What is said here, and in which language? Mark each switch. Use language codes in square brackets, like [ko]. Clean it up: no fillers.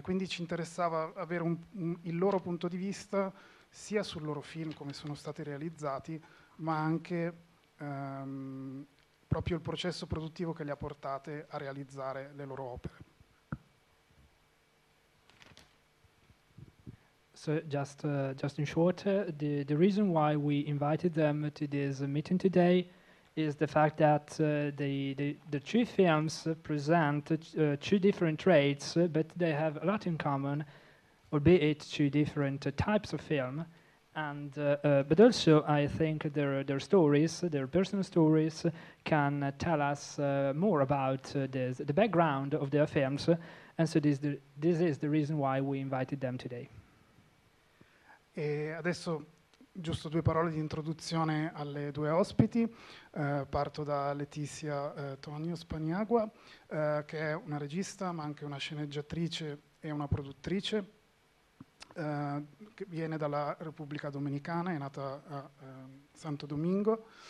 [it] Quindi ci interessava avere il loro punto di vista sia sul loro film, come sono stati realizzati, ma anche proprio il processo produttivo che li ha portate a realizzare le loro opere. [en] So just in short, the reason why we invited them to this meeting today is the fact that the two films present two different traits, but they have a lot in common, albeit two different types of film. And but also, I think their stories, their personal stories, can tell us more about the background of their films. And so this is the reason why we invited them today. [it] E adesso giusto due parole di introduzione alle due ospiti. Parto da Letizia Tonio Spaniagua, che è una regista ma anche una sceneggiatrice e una produttrice, che viene dalla Repubblica Dominicana, è nata a Santo Domingo.